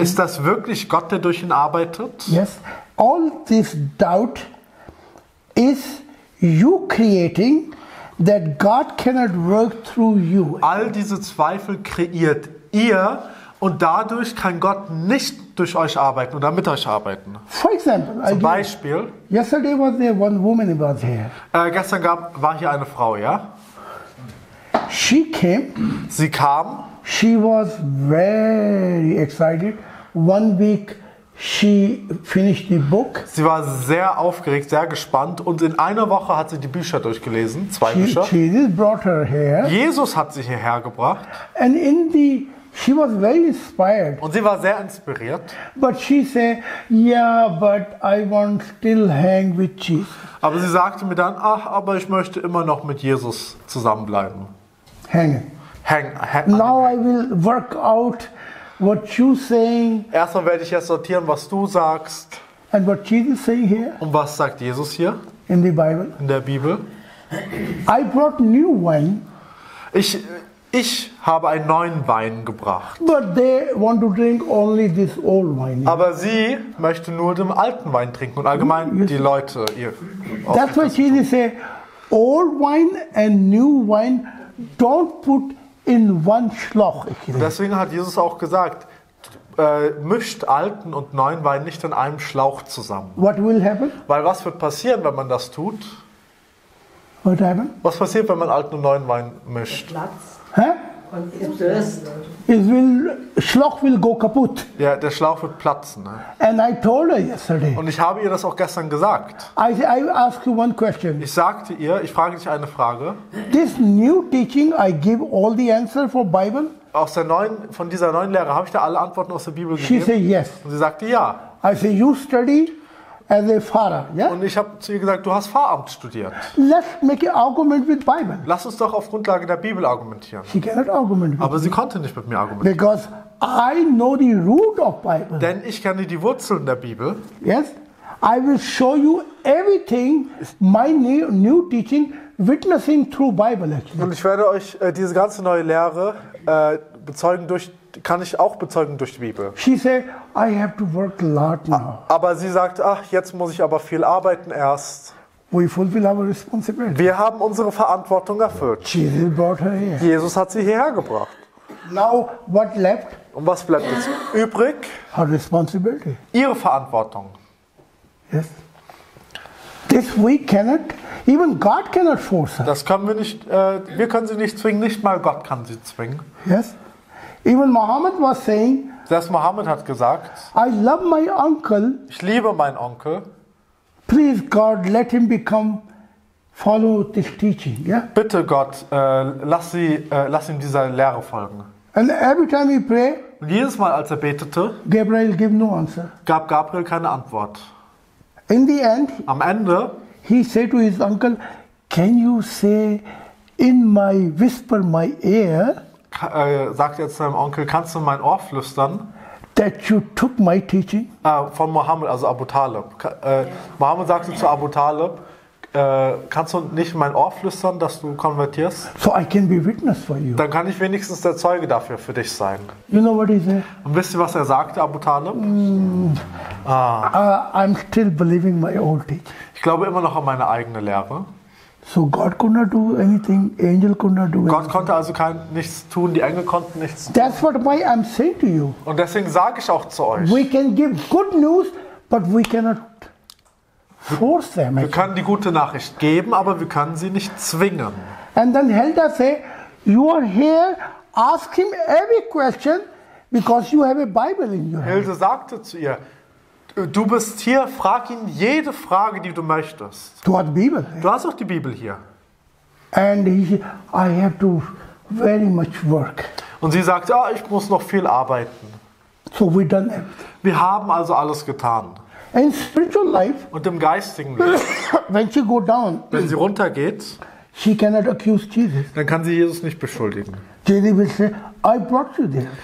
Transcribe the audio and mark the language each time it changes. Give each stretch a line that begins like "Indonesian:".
German: ist das wirklich Gott, der durch ihn arbeitet?
English: Yes. All this doubt is you creating that God cannot work through you.
German: All diese Zweifel kreiert ihr und dadurch kann Gott nicht durch euch arbeiten oder mit euch arbeiten.
English: For example,
German: zum Beispiel.
English: Yesterday was there one woman was here.
German: Gestern war hier eine Frau, ja?
English: She came.
German: Sie kam.
English: She was very excited. One week she finished the book.
German: Sie war sehr aufgeregt, sehr gespannt und in einer Woche hat sie die Bücher durchgelesen, zwei Bücher.
English: Jesus brought her here.
German: Jesus hat sie hierher gebracht.
English: And in the she was very inspired.
German: Und sie war sehr inspiriert.
English: But she said, yeah, but I want still hang with Jesus.
German: Aber sie sagte mir dann, ach, aber ich möchte immer noch mit Jesus zusammenbleiben.
English: Hang. Now I will work out what you saying.
German: Erstmal werde ich jetzt sortieren, was du sagst.
English: And what Jesus saying here?
German: Und was sagt Jesus hier?
English: In the Bible.
German: In der Bibel.
English: I brought new wine.
German: Ich habe einen neuen Wein gebracht.
English: But they want to drink only this old wine.
German: Aber sie möchte nur den alten Wein trinken und allgemein die Leute ihr.
English: That's why Jesus say, old wine and new wine don't put in one schloch.
German: Deswegen hat Jesus auch gesagt, mischt alten und neuen Wein nicht in einem Schlauch zusammen.
English: What will happen?
German: Weil was wird passieren, wenn man das tut?
English: What happened?
German: Was passiert, wenn man alten und neuen Wein mischt?
English: It will, Schlauch will go kaputt.
German: Ja, der Schlauch wird platzen. Ne?
English: And I told her yesterday.
German: Und ich habe ihr das auch gestern gesagt.
English: I ask you one question.
German: Ich sagte ihr, ich frage dich eine Frage.
English: This new teaching, I give all the answer for Bible.
German: Aus der neuen, von dieser neuen Lehre habe ich dir alle Antworten aus der Bibel
English: she
German: gegeben.
English: She said yes.
German: Und sie sagte ja.
English: I say you study as a father, yeah?
German: Und ich habe zu ihr gesagt, du hast Pfarramt studiert.
English: Let's make an argument with Bible.
German: Lass uns doch auf Grundlage der Bibel argumentieren.
English: She cannot argument
German: with aber sie konnte nicht mit mir argumentieren.
English: Because I know the root of Bible.
German: Denn ich kenne die Wurzeln der Bibel.
English: Yes, I will show you everything, my new teaching, witnessing through Bible. Actually.
German: Und ich werde euch diese ganze neue Lehre bezeugen durch kann ich auch bezeugen durch die Bibel.
English: She said, I have to work a lot now.
German: Aber sie sagt, ach, jetzt muss ich aber viel arbeiten erst.
English: We fulfill our responsibility.
German: Wir haben unsere Verantwortung erfüllt.
English: Jesus brought her here.
German: Jesus hat sie hierher gebracht.
English: Now, what left?
German: Und was bleibt jetzt übrig?
English: Her responsibility.
German: Ihre Verantwortung.
English: Yes. This we cannot, even God cannot force her.
German: Das können wir nicht, wir können sie nicht zwingen, nicht mal Gott kann sie zwingen.
English: Yes. Even Muhammad was saying,
German: das Muhammad hat gesagt,
English: I love my uncle.
German: Ich liebe meinen Onkel.
English: Please God, let him become follow this teaching. Yeah?
German: Bitte Gott, lass ihm dieser Lehre folgen.
English: And every time he pray,
German: und jedes Mal, als er betete,
English: Gabriel gave no answer.
German: Gab Gabriel keine Antwort.
English: In the end,
German: am Ende,
English: he said to his uncle, can you say in my whisper my ear?
German: sagt er zu seinem Onkel, kannst du mein Ohr flüstern?
English: That you took my teaching?
German: Von Mohammed, also Abu Talib. Mohammed sagte zu Abu Talib, kannst du nicht mein Ohr flüstern, dass du konvertierst?
English: So I can be witness for you.
German: Dann kann ich wenigstens der Zeuge dafür für dich sein.
English: You know what he said?
German: Und wisst ihr, was er sagte, Abu Talib?
English: I'm still believing my old teaching.
German: Ich glaube immer noch an meine eigene Lehre.
English: So God could not do anything, angel could not do anything.
German: Gott konnte also nichts tun, die Engel konnten nichts tun.
English: That's what why I'm saying to you.
German: Und deswegen sage ich auch zu euch.
English: We can give good news, but we cannot force them.
German: Wir können die gute Nachricht geben, aber wir können sie nicht zwingen.
English: And then Helda say, you are here, ask him every question, because you have a Bible in your hand.
German: Helda sagte zu ihr, du bist hier, frag ihn jede Frage, die du möchtest. Du hast die Bibel. Du hast auch die Bibel hier.
English: And he said, I have to very much work.
German: Und sie sagt, oh, ich muss noch viel arbeiten.
English: So we done everything.
German: Wir haben also alles getan.
English: In spiritual life,
German: und im geistigen Leben,
English: when she go down,
German: wenn sie runtergeht,
English: she cannot accuse Jesus.
German: Dann kann sie Jesus nicht beschuldigen.
English: Jesus will say, I brought you there.